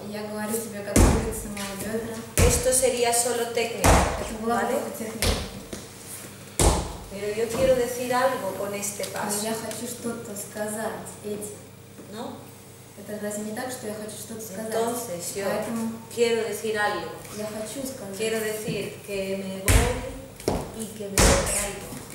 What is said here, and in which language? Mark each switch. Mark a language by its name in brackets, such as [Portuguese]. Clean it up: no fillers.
[Spanish] Y ya con eso veo que tú puedes tomar la otra. Esto sería solo técnica, ¿vale? Pero yo quiero decir algo con este paso. [Russian] Я хочу что-то сказать этим. [Spanish] ¿No? [Russian] Это даже не так, что я хочу что-то сказать. [Spanish] Entonces, yo quiero decir algo. [Russian] Я хочу сказать. [Spanish] Quiero decir que me voy y que me traigo.